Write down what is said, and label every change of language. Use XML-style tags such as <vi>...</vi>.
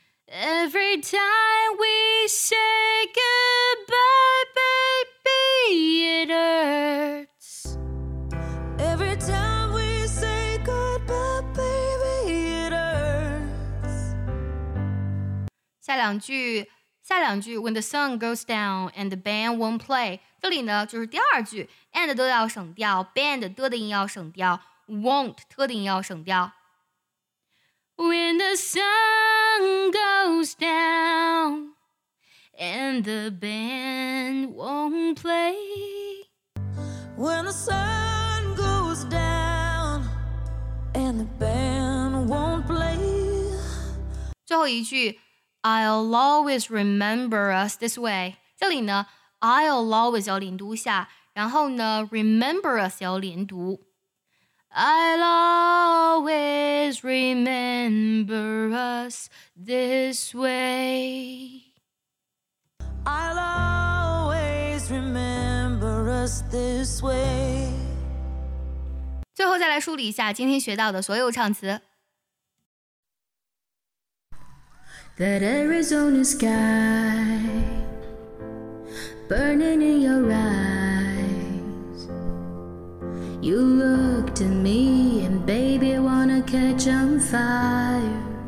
<en>Every time we say goodbye baby it hurts Every time we say goodbye baby it hurts</en> <zh>下两句下两句</zh> <en>When the sun goes down and the band won't play</en> <zh>这里呢就是第二句 and 都要省掉 band 的音要省掉 won't 特的音要省掉</zh> <en>When the sun goes down and the band won't play When the sun goes down and the band won't play</en> <zh>最后一句</zh> <en>I'll always remember us this way.</en> <zh>这里呢 I'll always 要连读下然后呢 remember us 要连读</zh> <en>I'll always remember us this way. I'll always remember us this way.</en> <zh>最后再来梳理一下今天学到的所有唱词。</zh> <en>That Arizona sky burning in your eyes. You look to me and baby wanna catch on fire.</en>